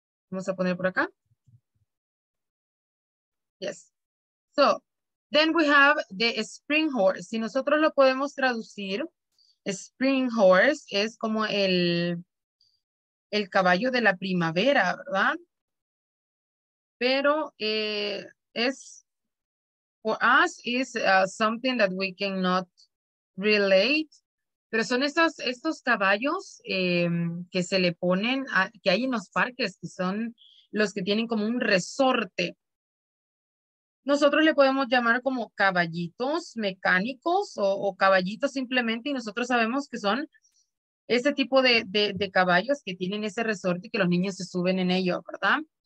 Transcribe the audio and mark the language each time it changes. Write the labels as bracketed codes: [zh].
[es] Vamos a poner por acá. [en] Yes. So, then we have the spring horse. [es] Si nosotros lo podemos traducir, spring horse es como el caballo de la primavera, ¿verdad? Pero es, [en] for us, is something that we cannot relate. [es] Pero son estos caballos que se le ponen, que hay en los parques, que son los que tienen como un resorte. Nosotros le podemos llamar como caballitos mecánicos o caballitos simplemente, y nosotros sabemos que son ese tipo de caballos que tienen ese resorte y que los niños se suben en ello, ¿verdad?